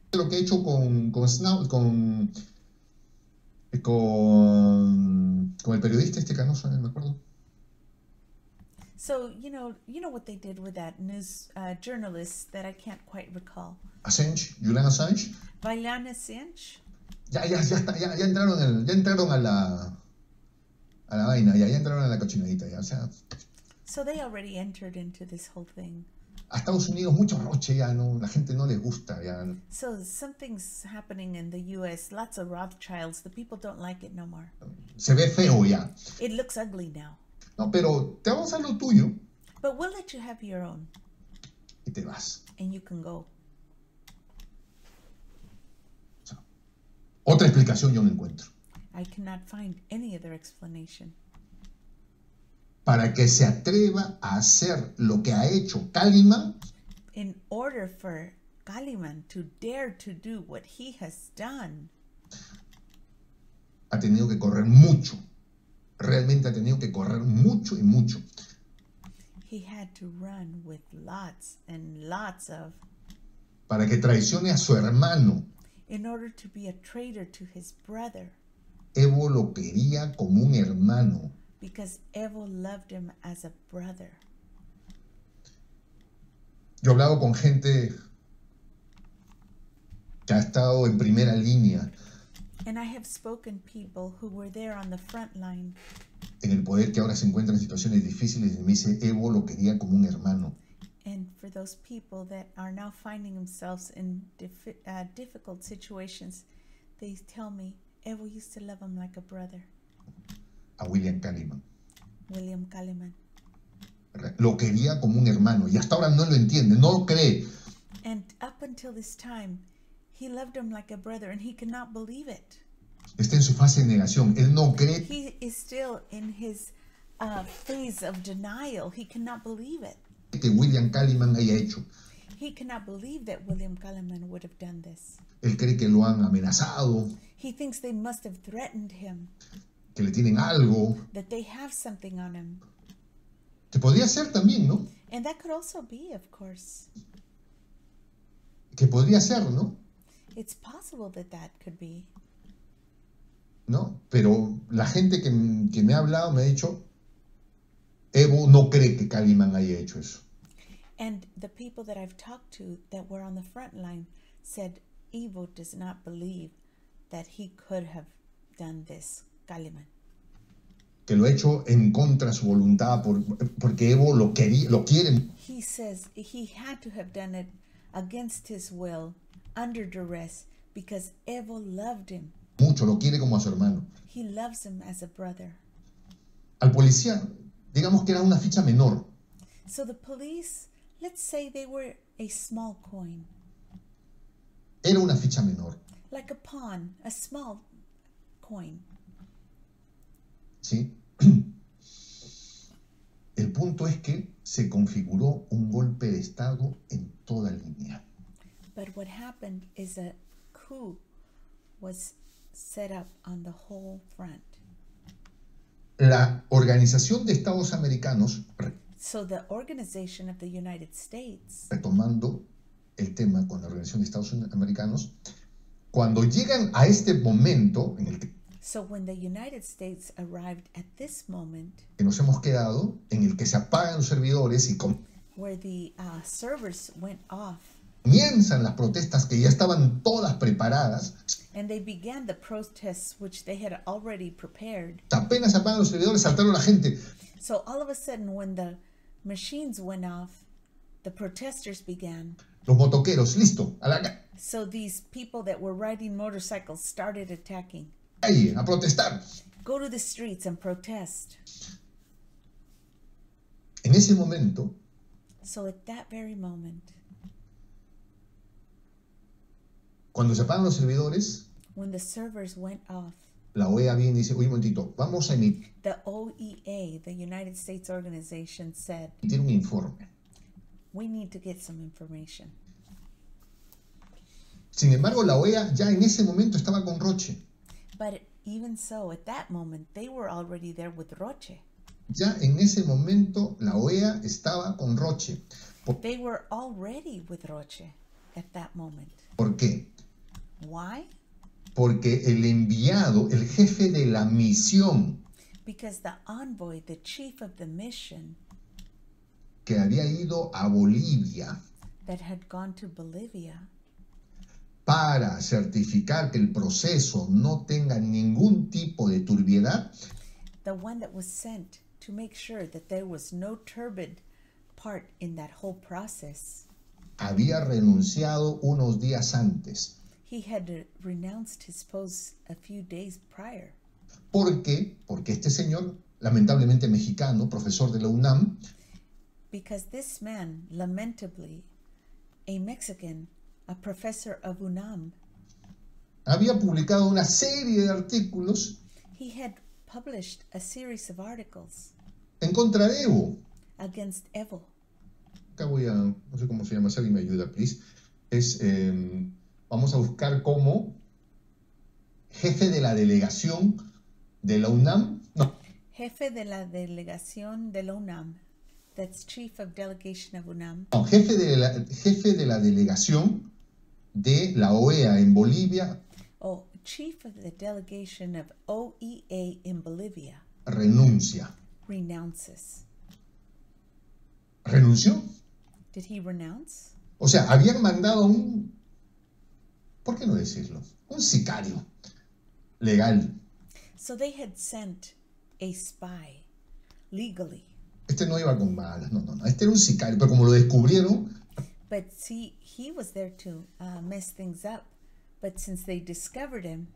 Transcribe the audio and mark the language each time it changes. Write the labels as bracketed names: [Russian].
[Spanish] Lo que he hecho con el periodista este canoso, no me acuerdo. [English] So, you know what they did with that news journalist that I can't quite recall. Assange, Julian Assange. Julian Assange. [Spanish] Ya entraron a la vaina, ya entraron a la cochinadita, o sea. [English] So they already entered into this whole thing. [Spanish] A Estados Unidos mucho roche ya, no, la gente no les gusta ya. [English] So something's happening in the U.S. Lots of Rothschilds. The people don't like it no more. [Spanish] Se ve feo ya. [English] It looks ugly now. [Spanish] No, pero te vamos a lo tuyo. [English] But we'll let you have your own. [Spanish] Y te vas. [English] And you can go. [Spanish] Otra explicación yo no encuentro. [English] I cannot find any other explanation. [Spanish] Para que se atreva a hacer lo que ha hecho Kalimán. [English] In order for Kalimán to dare to do what he has done. [Spanish] Ha tenido que correr mucho. Realmente ha tenido que correr mucho y mucho. [English] He had to run with lots and lots of. [Spanish] Para que traicione a su hermano. [English] In order to be a traitor to his brother. [Spanish] Evo lo quería como un hermano. [English] Because Evo loved him as a brother. [Spanish] Yo he hablado con gente que ha estado en primera línea. [English] And I have spoken people who were there on the front line. [Spanish] En el poder que ahora se encuentra en situaciones difíciles, y me dice Evo lo quería como un hermano. [English] And for those people that are now finding themselves in difficult situations, they tell me, Evo used to love him like a brother. [Spanish] A William Kalimán. [English] William Kalimán. [Spanish] Lo quería como un hermano y hasta ahora no lo entiende, no lo cree. [English] And up until this time, he loved him like a brother and he cannot believe it. [Spanish] Está en su fase de negación, él no cree. [English] He is still in his phase of denial, he cannot believe it. [Spanish] Que William Kalimán haya hecho. [English] He cannot believe that William Kalimán would have done this. [Spanish] Él cree que lo han amenazado. [English] He thinks they must have threatened him. [Spanish] Que le tienen algo. [English] That they have something on him. [Spanish] Que podría ser también, ¿no? [English] And that could also be, of course. [Spanish] Que podría ser, ¿no? [English] It's possible that that could be. [Spanish] No, pero la gente que me ha hablado me ha dicho. Evo no cree que Kalimán haya hecho eso. [English] And the people that I've talked to that were on the front line said Evo does not believe that he could have done this, Kalimán. [Spanish] Que lo ha hecho en contra su voluntad porque Evo lo quiere. [English] He says he had to have done it against his will, under duress, because Evo loved him. [Spanish] Mucho, lo quiere como a su hermano. [English] He loves him as a brother. [Spanish] Al policía. Digamos que era una ficha menor. [English] So the police, let's say they were a small coin. [Spanish] Era una ficha menor. [English] Like a pawn, a small coin. [Spanish] Sí. El punto es que se configuró un golpe de Estado en toda línea. [English] But what happened is a coup was set up on the whole front. [Spanish] La Organización de Estados Americanos, [English] so the Organization of the United States, [Spanish] retomando el tema con la Organización de Estados Americanos, cuando llegan a este momento en el que, [English] so when the United States arrived at this moment, [Spanish] que nos hemos quedado, en el que se apagan los servidores y [English] where the servers went off, [Spanish] comienzan las protestas que ya estaban todas preparadas. [English] And they began the protests which they had already prepared. [Spanish] Apenas apagaron los servidores, saltaron la gente. [English] So all of a sudden when the machines went off, the protesters began. [Spanish] Los motoqueros, listo, a la calle. [English] So these people that were riding motorcycles started attacking. [Spanish] Ahí, a protestar. [English] Go to the streets and protest. [Spanish] En ese momento. [English] So at that very moment. [Spanish] Cuando se apagan los servidores, [English] when the servers went off, [Spanish] la OEA viene y dice, oye, un momentito, vamos a emitir. [English] The OEA, the United States Organization, said, [Spanish] tiene un informe. [English] We need to get some information. [Spanish] Sin embargo, la OEA ya en ese momento estaba con Roche. [English] But even so, at that moment, they were already there with Roche. [Spanish] Ya en ese momento, la OEA estaba con Roche. [English] They were already with Roche at that moment. [Spanish] ¿Por qué? [English] Why? [Spanish] Porque el enviado, el jefe de la misión, [English] because the envoy, the chief of the mission, [Spanish] que había ido a Bolivia, [English] that had gone to Bolivia, [Spanish] para certificar que el proceso no tenga ningún tipo de turbiedad, [English] the one that was sent to make sure that there was no turbid part in that whole process, [Spanish] había renunciado unos días antes. [English] He had renounced his post a few days prior. [Spanish] ¿Por qué? Porque este señor, lamentablemente mexicano, profesor de la UNAM, [English] because this man, lamentably, a Mexican, a professor of UNAM, [Spanish] había publicado una serie de artículos, [English] he had published a series of articles, [Spanish] en contra de Evo. [English] Against Evo. [Spanish] Acá voy a, no sé cómo se llama, alguien me ayuda, [English] please. [Spanish] Es, vamos a buscar como jefe de la delegación de la UNAM. No. Jefe de la delegación de la UNAM. [English] That's chief of delegation of UNAM. [Spanish] No, jefe de la delegación de la OEA en Bolivia. [English] Oh, chief of the delegation of OEA in Bolivia. [Spanish] Renuncia. [English] Renounces. [Spanish] ¿Renunció? [English] Did he renounce? [Spanish] O sea, habían mandado un, ¿por qué no decirlo? Un sicario legal. [English] So they had sent a spy legally. [Spanish] Este no iba con balas, no, no, no. Este era un sicario, pero como lo descubrieron, [English] but see, he was there to mess things up, but since they discovered him,